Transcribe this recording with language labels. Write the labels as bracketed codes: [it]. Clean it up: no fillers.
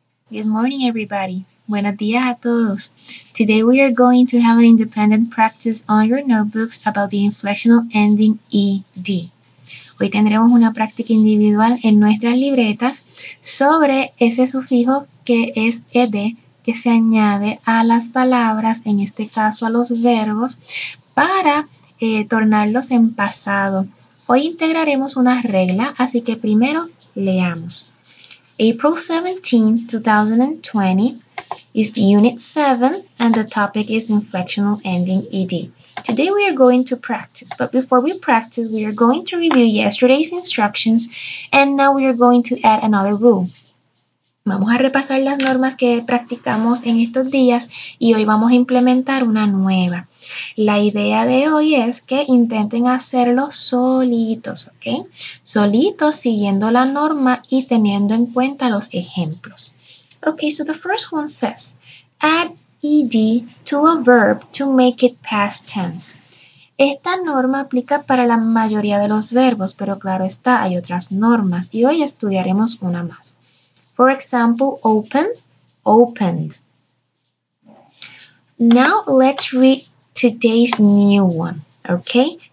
[en] Good morning, everybody. [es] Buenos días a todos. [en] Today we are going to have an independent practice on your notebooks about the inflectional ending ED. [es] Hoy tendremos una práctica individual en nuestras libretas sobre ese sufijo que es ED, que se añade a las palabras, en este caso a los verbos, para tornarlos en pasado. Hoy integraremos una regla, así que primero leamos. [en] April 17, 2020 is Unit 7 and the topic is Inflectional Ending ED. Today we are going to practice, but before we practice, we are going to review yesterday's instructions and now we are going to add another rule. [es] Vamos a repasar las normas que practicamos en estos días y hoy vamos a implementar una nueva. La idea de hoy es que intenten hacerlo solitos, ¿ok? Solitos, siguiendo la norma y teniendo en cuenta los ejemplos. [en] Ok, so the first one says, add ed to a verb to make it past tense. [es] Esta norma aplica para la mayoría de los verbos, pero claro está, hay otras normas y hoy estudiaremos una más. [en] For example, open, opened. Now let's read today's new one, okay?